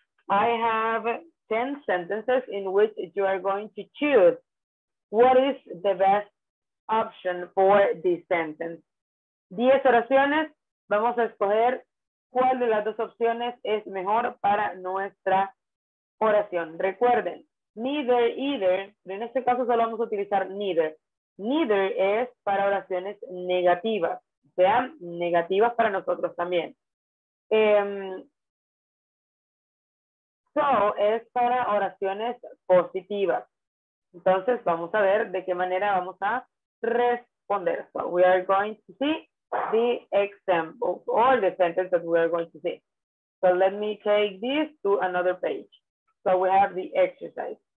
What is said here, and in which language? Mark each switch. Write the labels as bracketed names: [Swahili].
[English] I have 10 sentences in which you are going to choose what is the best option for this sentence. [Spanish] 10 oraciones, vamos a escoger cuál de las dos opciones es mejor para nuestra oración. Recuerden, neither, either, en este caso solo vamos a utilizar neither. Neither es para oraciones negativas, sean negativas para nosotros también. So es para oraciones positivas. Entonces vamos a ver de qué manera vamos a responder. [English] So we are going to see the examples or the sentences we are going to see. So let me take this to another page. So we have the exercise.